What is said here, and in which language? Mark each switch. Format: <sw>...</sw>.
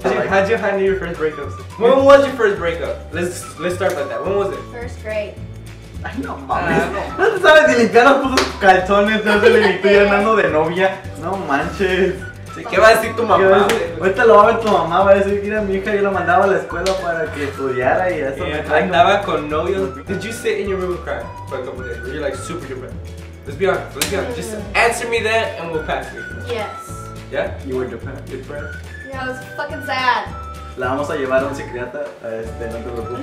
<en>how'd you handle your first breakups? When was your first breakup? Let's start by that. When was it? First grade.</en> <es>Ay, no mames. No te sabes ni limpiar los putos calzones. No se le limpió y andando de novia. No manches. ¿Qué va a decir tu mamá? Ahorita lo va a ver tu mamá. Va a decir que era mi hija. Yo la mandaba a la escuela para que estudiara y eso. Andaba con novios.</es> <en>Did you sit in your room and cry for a couple of days? Were you like super depressed? Let's be honest. Just answer me that and we'll pass it. Yes. Yeah? You were depressed? Yeah, I was fucking sad.</en> <es>La vamos a llevar a un psiquiatra, no te preocupes.</es>